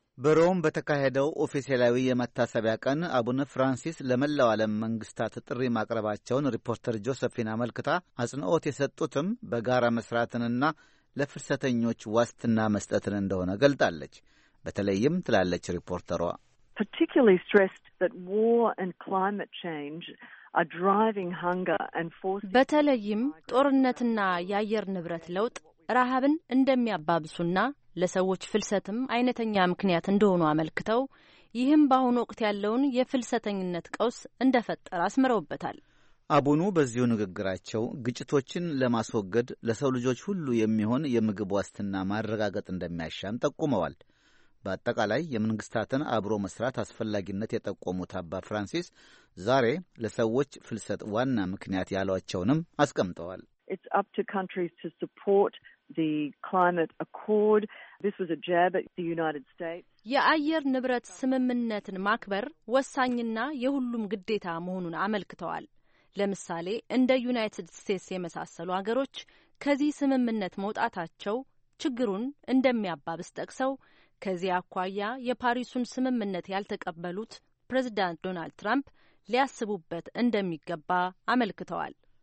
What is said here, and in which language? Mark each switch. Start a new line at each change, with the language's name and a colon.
Amharic: በሮም በተካሄደው ኦፊሴላዊ የመታሰቢያ ቀን አቡነ ፍራንሲስ ለመላው ዓለም መንግስታት ጥሪ ማቅረባቸውን ሪፖርተር ጆሴፊን አመልክታ አጽንኦት የሰጡትም በጋራ መስራትንና ለፍልሰተኞች ዋስትና መስጠትን እንደሆነ ገልጣለች። በተለይም ትላለች ሪፖርተሯ
English: particularly stressed that war and climate change are driving hunger and forcing
Amharic: በተለይም ጦርነትና የአየር ንብረት ለውጥ ረሃብን እንደሚያባብሱና ለሰዎች ፍልሰትም አይነተኛ ምክንያት እንደሆነ አመልክተው ይህም በአሁን ወቅት ያለውን የፍልሰተኝነት ቀውስ እንደፈጠረ አስመረውበታል። አቡኑ በዚሁ ንግግራቸው ግጭቶችን ለማስወገድ ለሰው ልጆች ሁሉ የሚሆን የምግብ ዋስትና ማረጋጋት እንደሚያሻም ተቆመዋል። በአጠቃላይ የመንግስታትን አብሮ መስራት አስፈላጊነት የጠቆሙት አባ ፍራንሲስ ዛሬ ለሰዎች ፍልሰት ዋና ምክንያት ያሏቸውንም አስቀምጠዋል።
English: It's up to countries to support the climate accord. This was a jab at the United States.
Amharic: የአየር ንብረት ስምምነትን ማክበር ወሳኝና የሁሉም ግዴታ መሆኑን አመልክተዋል። ለምሳሌ እንደ ዩናይትድ ስቴትስ የመሳሰሉ አገሮች ከዚህ ስምምነት መውጣታቸው ችግሩን እንደሚያባብስ ጠቅሰው ከዚያ አቋያ የፓሪሱን ስምምነት ያልተቀበሉት ፕሬዝዳንት ዶናልድ ትራምፕ ሊያስቡበት እንደሚገባ አመልክተዋል።